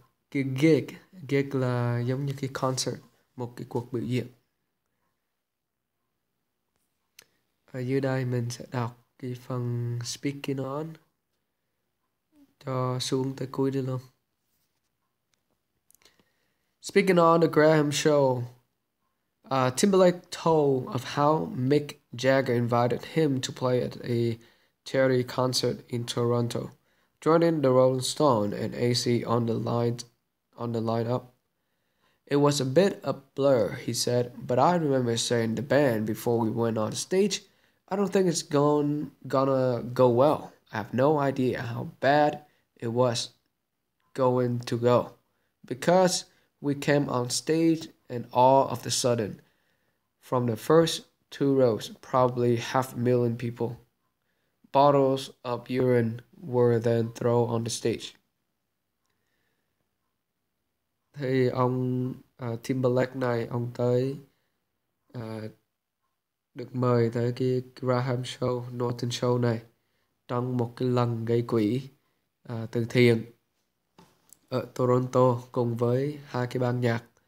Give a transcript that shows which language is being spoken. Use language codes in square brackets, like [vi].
[vi] Cái gig là giống như cái concert, một cái cuộc biểu diễn. Ở dưới đây mình sẽ đọc cái phần speaking on cho xuống tới cuối đi luôn. [en] Speaking on the Graham show, Timberlake told of how Mick Jagger invited him to play at a charity concert in Toronto, joining the Rolling Stone and AC on the lineup. It was a bit of a blur, he said, but I remember saying the band before we went on stage, I don't think it's gonna go well. I have no idea how bad it was going to go. Because we came on stage and all of a sudden, from the first two rows, probably 500,000 people, bottles of urine were then thrown on the stage. [vi] Thì ông Timberlake này, ông tới được mời tới cái Graham Show, Norton Show này trong một cái lần gây quỹ từ thiện ở Toronto cùng với hai cái ban nhạc.